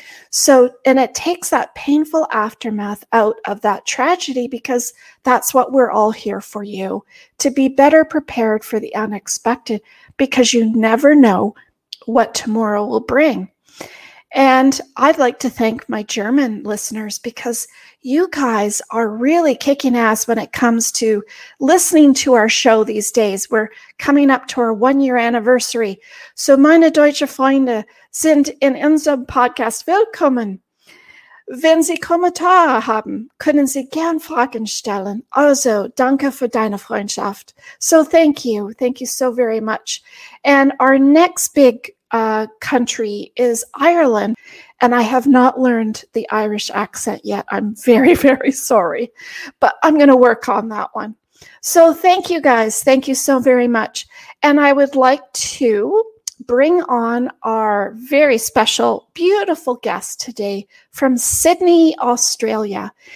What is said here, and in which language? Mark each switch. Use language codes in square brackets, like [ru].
[en] So, and it takes that painful aftermath out of that tragedy, because that's what we're all here for, you to be better prepared for the unexpected, because you never know what tomorrow will bring. And I'd like to thank my German listeners, because you guys are really kicking ass when it comes to listening to our show these days. We're coming up to our 1 year anniversary. [de] So meine deutsche Freunde sind in unserem Podcast willkommen. Wenn Sie Kommentare haben, können Sie gern Fragen stellen. Also, danke für deine Freundschaft. [en] So thank you. Thank you so very much. And our next big country is Ireland, and I have not learned the Irish accent yet. I'm very, very sorry, but I'm going to work on that one. So thank you guys. Thank you so very much. And I would like to bring on our very special, beautiful guest today from Sydney, Australia.